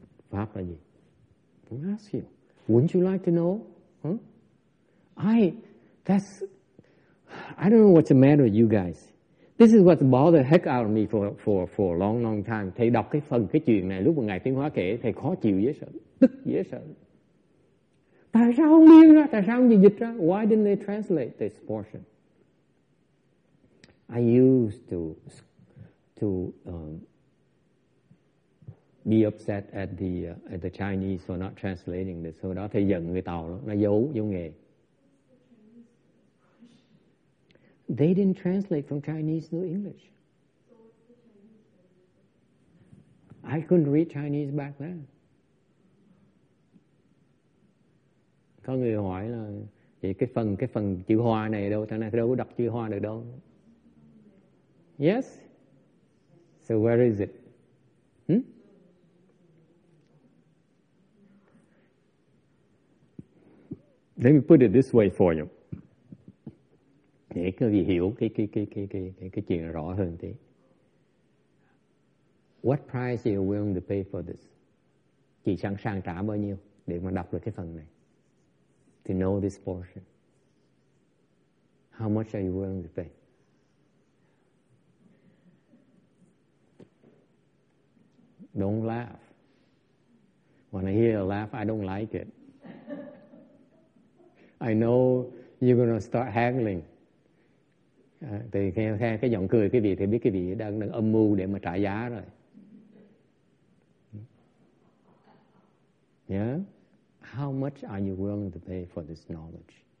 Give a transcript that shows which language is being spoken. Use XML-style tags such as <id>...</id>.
<vi>Pháp là gì?</vi> <en>I'm asking you. Wouldn't you like to know? Huh? I don't know what's the matter with you guys. This is what bothered the heck out of me for a long, long time.</en> <vi>Thầy đọc cái phần cái chuyện này, lúc mà Ngài Tiếng Hóa kể, thầy khó chịu dễ sợ, tức dễ sợ. Tại sao không liên ra? Tại sao không gì dịch ra?</vi> <en>Why didn't they translate this portion? I used to be upset at the Chinese for not translating this.</en> <vi>Hồi đó thầy giận người Tàu lắm. Nó giấu nghề.</vi> <en>they didn't translate from Chinese to English. I couldn't read Chinese back then.</en> <vi>Có người hỏi là vậy cái phần chữ Hoa này đâu, thằng này đâu có đọc chữ Hoa được đâu.</vi> <en>Yes. So where is it? Let me put it this way for you.</en> <vi>Để các vị hiểu cái chuyện rõ hơn tí.</vi> <en>What price are you willing to pay for this?</en> <vi>Chị sẵn sàng trả bao nhiêu để mà đọc được cái phần này?</vi> <en>To know this portion. How much are you willing to pay? Don't laugh. When I hear a laugh, I don't like it. I know you're going to start haggling.</en> <vi>Thì theo cái giọng cười quý vị thì biết quý vị đang âm mưu để mà trả giá rồi.</vi> <en>Yeah? How much are you willing to pay for this knowledge?</en>